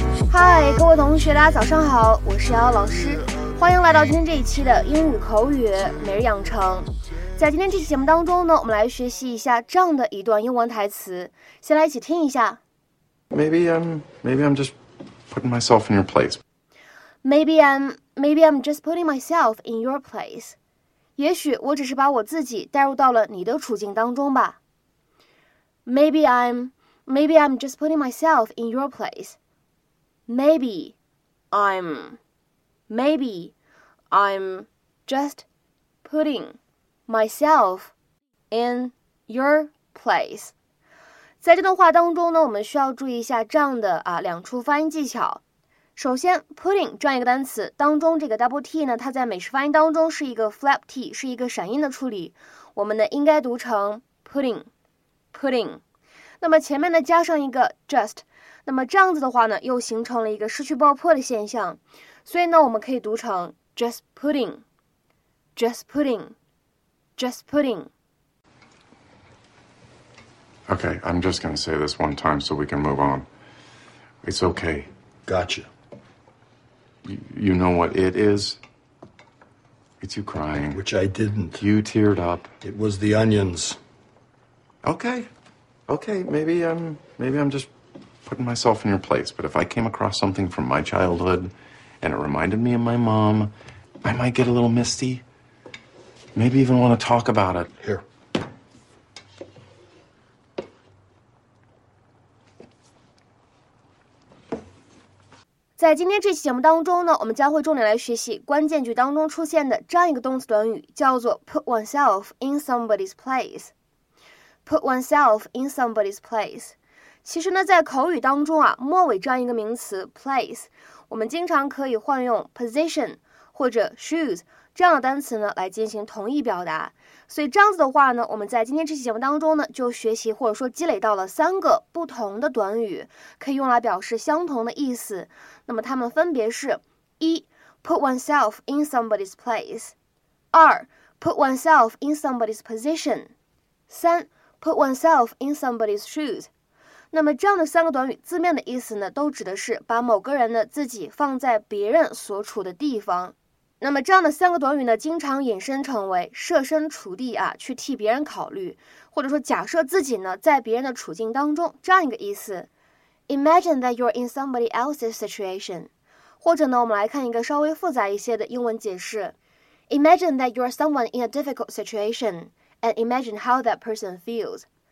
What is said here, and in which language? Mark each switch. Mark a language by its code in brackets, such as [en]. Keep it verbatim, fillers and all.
[zh] 嗨，各位同学，大家早上好，我是瑶瑶老师，欢迎来到今天这一期的英语口语每日养成。在今天这期节目当中呢，我们来学习一下这样的一段英文台词，先来一起听一下。 [en] Maybe I'm, maybe I'm just putting myself in your place. Maybe I'm, maybe I'm just putting myself in your place. [zh] 也许我只是把我自己带入到了你的处境当中吧。 [en] Maybe I'm, maybe I'm just putting myself in your place. Maybe I'm, maybe I'm just putting myself in your place. [zh] 在这段话当中呢，我们需要注意一下这样的啊两处发音技巧。首先 putting 这样一个单词当中，这个 double t 呢，它在美式发音当中是一个 flap t， 是一个闪音的处理，我们呢应该读成 pudding, pudding。那么前面呢加上一个 just。那么这样子的话呢，又形成了一个失去爆破的现象，所以呢，我们可以读成 [en] just pudding, just pudding, just pudding. Okay, I'm just going to say this one time so we can move on. It's okay. Gotcha. You, you know what it is? It's you crying. Which I didn't. You teared up. It was the onions. Okay. Okay, maybe I'm, maybe I'm just... putting myself in your place, but if I came across something from my childhood and it reminded me of my mom, I might get a little misty, maybe even want to talk about it. Here. [zh] 在今天这期节目当中呢，我们将会重点来学习关键句当中出现的这样一个动词短语，叫做 [en] put oneself in somebody's place. [zh] Put oneself in somebody's place. 其实呢，在口语当中啊，末尾这样一个名词 place， 我们经常可以换用 position 或者 shoes 这样的单词呢来进行同义表达。所以这样子的话呢，我们在今天这期节目当中呢，就学习或者说积累到了三个不同的短语，可以用来表示相同的意思。那么它们分别是：一 [en] put oneself in somebody's place； [zh] 二 [en] put oneself in somebody's position； [zh] 三 [en] put oneself in somebody's shoes。 [zh] 那么这样的三个短语字面的意思呢，都指的是把某个人呢自己放在别人所处的地方。那么这样的三个短语呢，经常引申成为设身处地啊，去替别人考虑，或者说假设自己呢在别人的处境当中这样一个意思。 [en] Imagine that you're in somebody else's situation。 [zh] 或者呢，我们来看一个稍微复杂一些的英文解释。 [en] Imagine that you're someone in a difficult situation and imagine how that person feels。